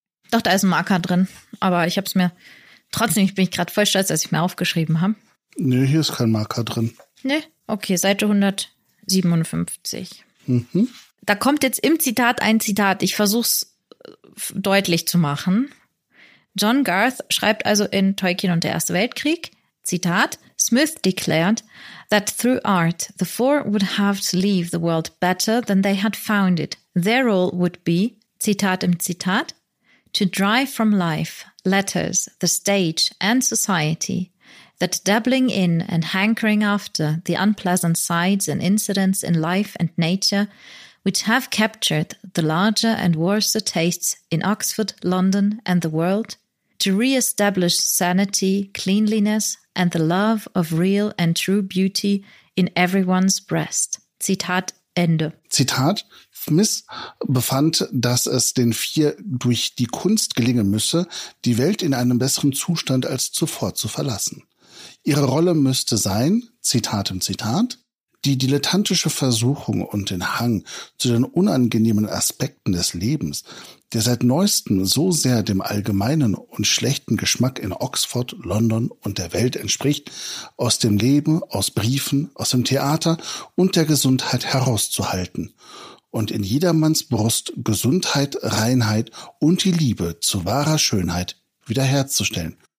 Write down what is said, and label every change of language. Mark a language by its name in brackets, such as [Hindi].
[German] Doch, da ist ein Marker drin, aber ich habe es mir, trotzdem bin ich gerade voll stolz, dass ich mir aufgeschrieben habe. Nee, hier ist kein Marker drin. Nee, okay, Seite 157. Mhm. Da kommt jetzt im Zitat ein Zitat, ich versuche es deutlich zu machen. John Garth schreibt also in Tolkien und der Erste Weltkrieg, Zitat, [English] Smith declared that through art the four would have to leave the world better than they had found it. Their role would be, [German] Zitat im Zitat, [English] to drive from life, letters, the stage and society, that dabbling in and hankering after the unpleasant sides and incidents in life and nature, which have captured the larger and worser tastes in Oxford, London and the world, to re-establish sanity, cleanliness and the love of real and true beauty in everyone's breast. [German] Zitat Ende. Zitat, Smith befand, dass es den vier durch die Kunst gelingen müsse, die Welt in einem besseren Zustand als zuvor zu verlassen. Ihre Rolle müsste sein, Zitat im Zitat, die dilettantische Versuchung und den Hang zu den unangenehmen Aspekten des Lebens, der seit neuestem so sehr dem allgemeinen und schlechten Geschmack in Oxford, London und der Welt entspricht, aus dem Leben, aus Briefen, aus dem Theater und der Gesundheit herauszuhalten und in jedermanns Brust Gesundheit, Reinheit und die Liebe zu wahrer Schönheit wiederherzustellen.